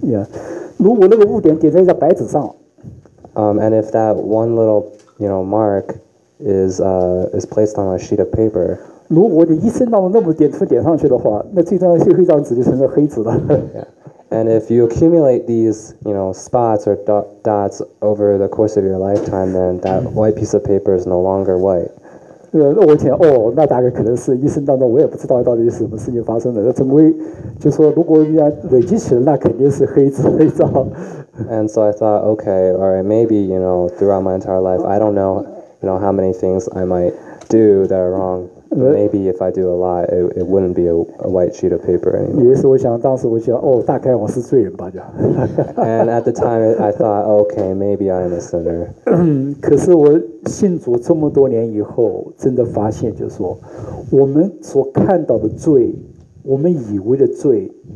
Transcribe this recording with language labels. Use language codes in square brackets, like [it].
[zh] Yeah, 如果那个污点点在一个白纸上， [en] And if that one little, you know, mark is placed on a sheet of paper, [zh] 如果你一生当中那么点都点上去的话，那最终这张纸就成了黑纸了。 [en] And if you accumulate these, you know, spots or dots over the course of your lifetime, then that white piece of paper is no longer white. [zh] 那我想，那大概可能是一生当中我也不知道到底是什么事情发生的。那怎么会就说如果你累积起来，那肯定是黑纸一张。 [en] And so I thought, okay, all right, maybe, you know, throughout my entire life, I don't know, you know, how many things I might do that are wrong. But maybe if I do a lot, it wouldn't be a white sheet of paper anymore. [zh] 也是我想，当时我想，大概我是罪人吧，就。 [en] And at the time, I thought, okay, maybe I'm a sinner. [zh] 可是我信主这么多年以后，真的发现，就是说，我们所看到的罪，我们以为的罪。